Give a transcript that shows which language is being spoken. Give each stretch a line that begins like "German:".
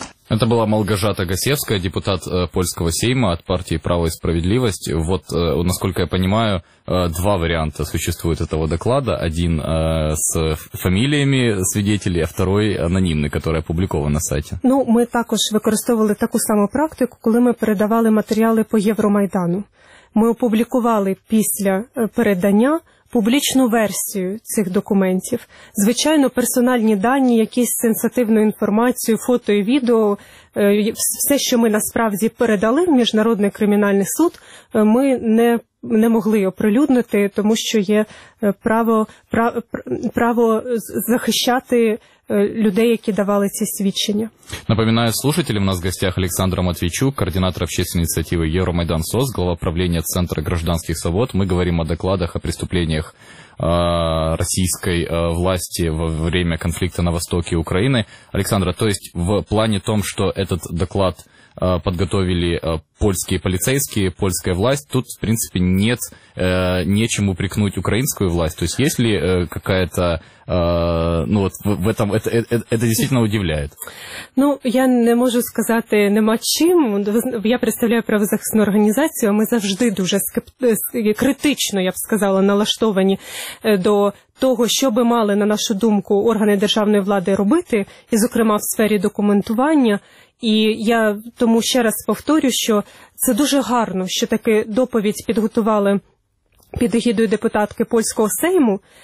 Russian: Это была Малгожата Гасевская, депутат польского сейма от партии «Право и справедливость». Вот, насколько я понимаю, два варианта существует этого доклада. Один с фамилиями свидетелей, а второй анонимный, который опубликован на сайте.
Ukrainian: Ну, мы також використовували таку саму практику, коли ми передавали матеріали по Євромайдану. Ми опублікували після передання публічну версію цих документів. Звичайно, персональні дані, якісь сенситивну інформацію, фото і відео, все, що ми насправді передали в Міжнародний кримінальний суд, ми не могли оприлюднити, тому що є право захищати людей, які давали ці свідчення.
Russian: Напоминаю слушателям, у нас в гостях Александр Матвійчук, координатор общественной инициативы Евромайдан СОС, глава правления Центра гражданских свобод. Мы говорим о докладах о преступлениях российской власти во время конфликта на востоке Украины. Александр, то есть в плане том, что этот доклад подготовили польские полицейские, польская власть, тут, в принципе, нет нечем упрекнуть украинскую власть. То есть есть ли какая-то... ну, вот в этом... Это действительно удивляет.
Ukrainian: Ну, я не можу сказати нема чим. Я представляю правозахисну організацію, ми завжди дуже критично, я б сказала, налаштовані до того, що би мали, на нашу думку, органи державної влади робити, і, зокрема, в сфері документування. І я тому ще раз повторю, що це дуже гарно, що таки доповідь підготували під егідою депутатки польського сейму.